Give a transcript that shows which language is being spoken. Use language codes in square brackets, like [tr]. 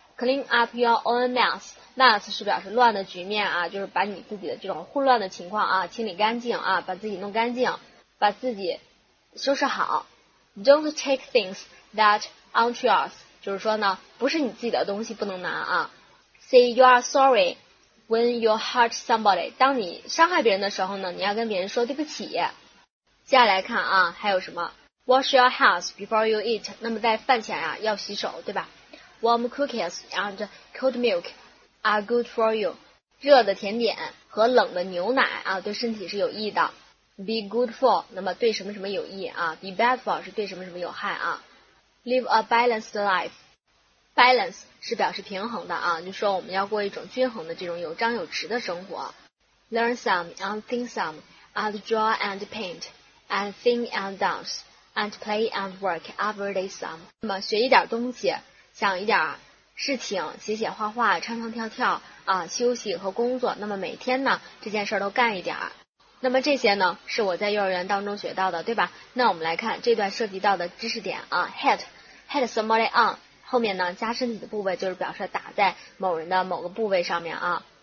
[en] Clean up your own mess. [zh] Mess 是表示乱的局面啊，就是把你自己的这种混乱的情况啊清理干净啊，把自己弄干净，把自己收拾好。 [en] Don't take things that aren't yours. [zh] 就是说呢，不是你自己的东西不能拿啊。 [en] Say you are sorry when you hurt somebody. [zh] 当你伤害别人的时候呢，你要跟别人说对不起。接下来看啊，还有什么 ？ [en] Wash your hands before you eat. [zh] 那么在饭前啊要洗手，对吧？ [en] Warm cookies and cold milk are good for you. [zh] 热的甜点和冷的牛奶啊，对身体是有益的。 [en] Be good for， [zh] 那么对什么什么有益啊 ？ [en] Be bad for [zh] 是对什么什么有害啊 ？ [en] Live a balanced life. [zh] Balance 是表示平衡的啊，就说我们要过一种均衡的这种有张有弛的生活。 [en] Learn some and think some, and draw and paint, and sing and dance, and play and work every day some. [zh] 那么学一点东西。想一点事情，写写画画，唱唱跳跳啊，休息和工作，那么每天呢这件事都干一点。那么这些呢是我在幼儿园当中学到的，对吧？那我们来看这段涉及到的知识点啊。 [en] hit somebody on [zh] 后面呢加身体的部位，就是表示打在某人的某个部位上面啊。